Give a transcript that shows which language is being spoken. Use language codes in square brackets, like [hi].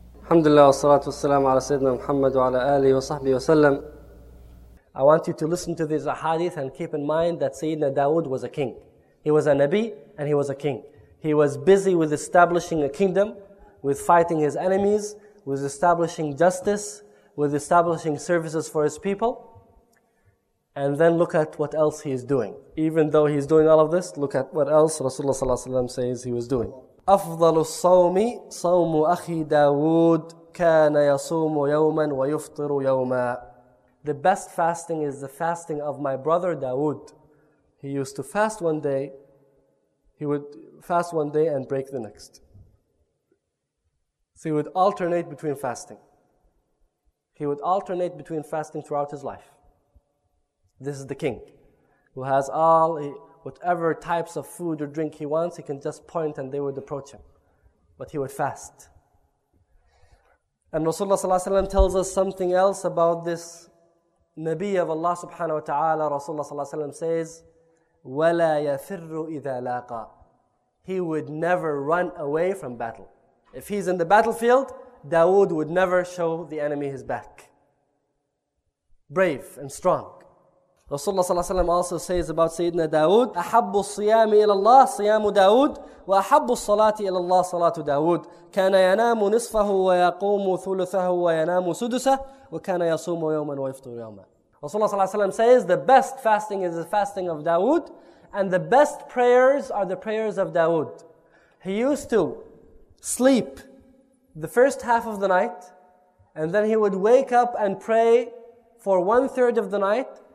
[ar] الحمد لله والصلاة والسلام على سيدنا محمد وعلى آله وصحبه وسلم. [en] I want you to listen to these ahadith and keep in mind that Sayyidina Dawood was a king. He was a Nabi and he was a king. He was busy with establishing a kingdom, with fighting his enemies, with establishing justice, with establishing services for his people. And then look at what else he is doing. Even though he is doing all of this, look at what else Rasulullah sallallahu alaihi wasallam says he was doing. [ar] أفضل الصوم صوم أخي داود كان يصوم يوما ويفطر يوما. [en] The best fasting is the fasting of my brother Dawood. He used to fast one day. He would fast one day and break the next. So he would alternate between fasting. He would alternate between fasting throughout his life. This is the king who has all, whatever types of food or drink he wants, he can just point and they would approach him. But he would fast. And Rasulullah sallallahu alaihi wasallam tells us something else about this Nabi of Allah subhanahu wa ta'ala. Rasulullah sallallahu alaihi wasallam says, [ar] وَلَا يَفِرُّ إِذَا لَاقَى. [en] He would never run away from battle. If he's in the battlefield, Dawood would never show the enemy his back. Brave and strong. Rasulullah sallallahu alaihi wasallam also says about Sayyidina Dawood, [ar] أحب الصيام إلى الله صيام داود وأحب الصلاة إلى الله صلاة داود. كان ينام نصفه ويقوم ثلثه وينام سدسه وكان يصوم يوما ويفطر يوما. [en] Rasulullah sallallahu alaihi wasallam says the best fasting is the fasting of Dawood, and the best prayers are the prayers of Dawood. He used to sleep the first half of the night, and then he would wake up and pray for 1/3 of the night.